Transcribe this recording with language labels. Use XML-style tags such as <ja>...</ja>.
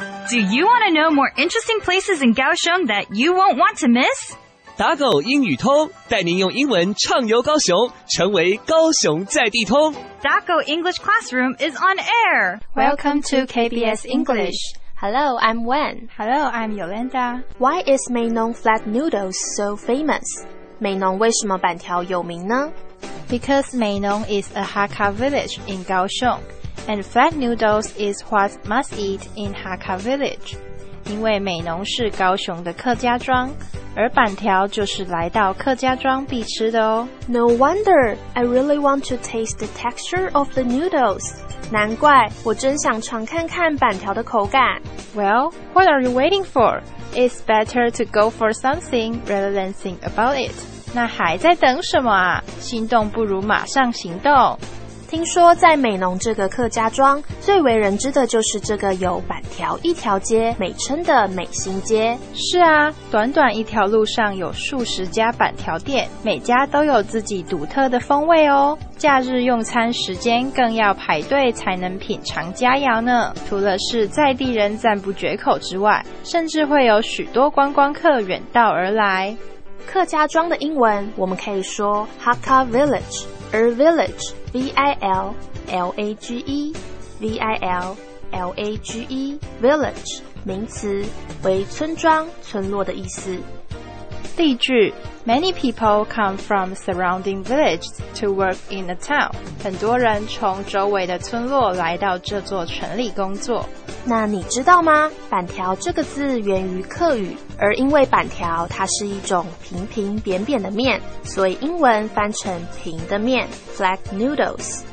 <en>Do you want to know more interesting places in Kaohsiung that you won't want to miss?</en> <zh>打狗英语通，带您用英文畅游高雄，成为高雄在地通。</zh> <en>打狗 English Classroom is on air. Welcome to KBS English. Hello, I'm Wen. Hello, I'm Yolanda. Why is Meinung flat noodles so famous?</en> <zh>美濃為什麼板條有名呢?</zh> <en>Because Meinung is a Hakka village in Kaohsiung, and flat noodles is what must eat in Hakka village.</en> <zh>因為美濃是高雄的客家莊，而板條就是來到客家莊必吃的喔。</zh> <en>No wonder, I really want to taste the texture of the noodles.</en> <zh>難怪，我真想嚐看看板條的口感。</zh> <en>Well, what are you waiting for? It's better to go for something rather than think about it.</en> <zh>那還在等什麼啊？心動不如馬上行動。听说在美濃这个客家庄，最为人知的就是这个有板条一条街美称的美心街。是啊，短短一条路上有数十家板条店，每家都有自己独特的风味哦。假日用餐时间更要排队才能品尝佳肴呢。除了是在地人赞不绝口之外，甚至会有许多观光客远道而来。客家庄的英文我们可以说 Hakka Village， 而 Village V-I-L-L-A-G-E V-I-L-L-A-G-E Village 名词，为村庄、村落的意思。例句：</zh> <en>Many people come from surrounding villages to work in the town.</en> <zh>很多人从周围的村落来到这座城里工作。那你知道吗？板条这个字源于客语，而因为板条它是一种平平扁扁的面，所以英文翻成平的面 flat noodles。</zh>